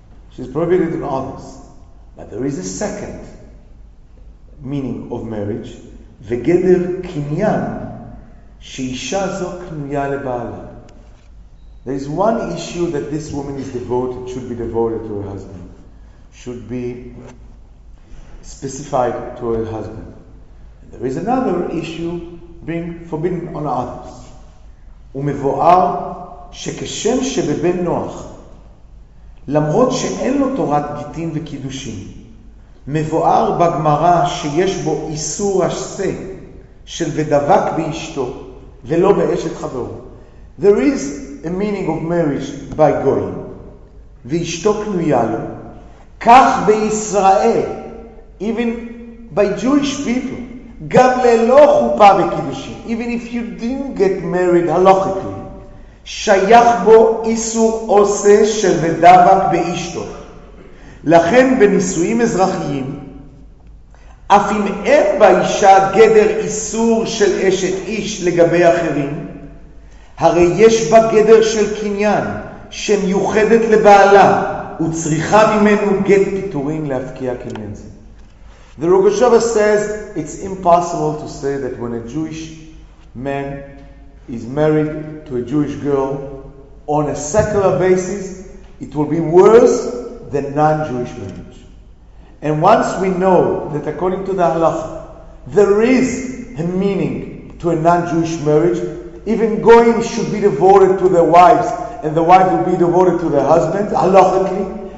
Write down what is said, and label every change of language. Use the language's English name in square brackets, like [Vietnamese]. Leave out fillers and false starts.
[English] She's prohibited in others. But there is a second meaning of marriage, [Hebrew] v'geder kinyan, she'isha zo knuya le'ba'ala. [English] There is one issue that this woman is devoted, should be devoted to her husband, should be specified to her husband. And there is another issue being forbidden on others. [Hebrew] U'mevo'ar, שכשם שבבן נוח, למרות שאין לו תורת גיטין וקידושין, מבואר בגמרא שיש בו איסור השסה של ודבק באשתו ולא באשת חברו. [English] There is a meaning of marriage by goyim, [Hebrew] ואשתו קנויה לו. כך בישראל, [English] even by Jewish people, [Hebrew] גם ללא חופה וקידושין, [English] even if you didn't get married halachically, [Hebrew] שייך בו איסור עושה של ודבק באשתו. לכן בנישואים אזרחיים, אף אם אין באישה גדר איסור של אשת איש לגבי אחרים, הרי יש בה גדר של קניין שמיוחדת לבעלה וצריכה ממנו גט פיטורין להפקיע קניין זה. [English] The Rogoshova says it's impossible to say that when a Jewish man is married to a Jewish girl on a secular basis, it will be worse than non-Jewish marriage. And once we know that according to the halacha, there is a meaning to a non-Jewish marriage, even goyim should be devoted to their wives, and the wife will be devoted to their husband, halachically.